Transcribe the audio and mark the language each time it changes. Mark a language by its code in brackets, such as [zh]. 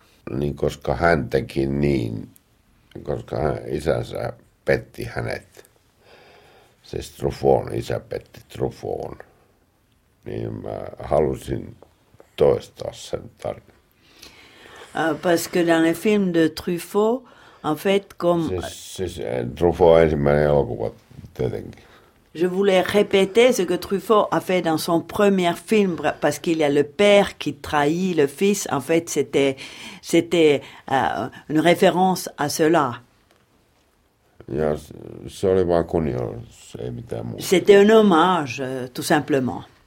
[fi] niin koska hän teki niin, koska hän isänsä petti hänet, siis Truffaut, isä petti Truffaut, niin mä halusin toistaa sen tarinan. [fr] Parce que dans le film de Truffaut, en fait, comme... [fi] Siis Truffaut on ensimmäinen elokuva tietenkin. [fr] Je voulais répéter ce que Truffaut a fait dans son premier film, parce qu'il y a le père qui trahit le fils. En fait, c'était une référence à cela. C'était un hommage, tout simplement.